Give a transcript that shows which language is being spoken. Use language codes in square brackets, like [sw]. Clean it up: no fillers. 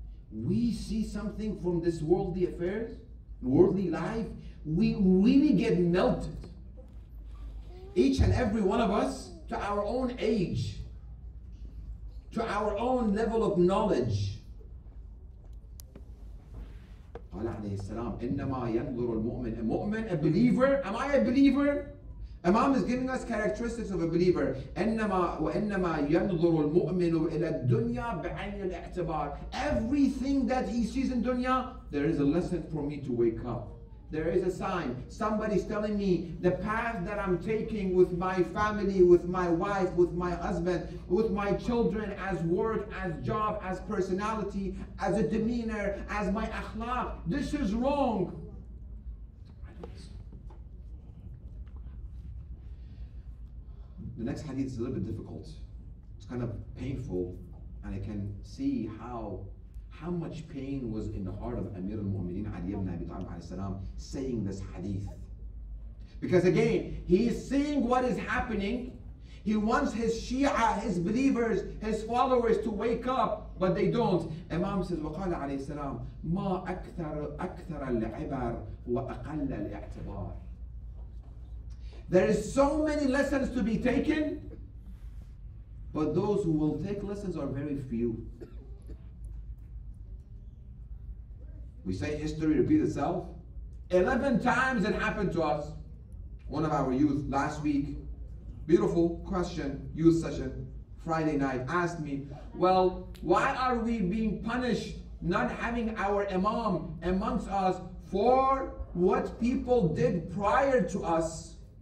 [en] We see something from this worldly affairs, worldly life, we really get melted. Each and every one of us, to our own age, to our own level of knowledge. [ar] قال عليه السلام إنما ينظر المؤمن. [en] A mu'min, a believer. Am I a believer? Imam is giving us characteristics of a believer. [ar] إنما وإنما ينظر المؤمن إلى الدنيا بعين الاعتبار. [en] Everything that he sees in dunya, there is a lesson for me to wake up. There is a sign. Somebody's telling me the path that I'm taking with my family, with my wife, with my husband, with my children, as work, as job, as personality, as a demeanor, as my akhlaq. This is wrong. The next hadith is a little bit difficult. It's kind of painful. And I can see how much pain was in the heart of Amir al-Mu'mineen Ali ibn Abi Talib alayhi salam saying this hadith. Because again, he is seeing what is happening. He wants his Shia, his believers, his followers to wake up, but they don't. Imam says, [ar] وَقَالَ عَلَيْهِ السَّلَامُ مَا أَكْثَرَ الْعِبَرُ وَأَقَلَّ الْاِعْتِبَارِ. [en] There is so many lessons to be taken, but those who will take lessons are very few. We say history repeats itself. 11 times it happened to us. One of our youth last week, beautiful question, youth session, Friday night, asked me, well, why are we being punished not having our imam amongst us for what people did prior to us?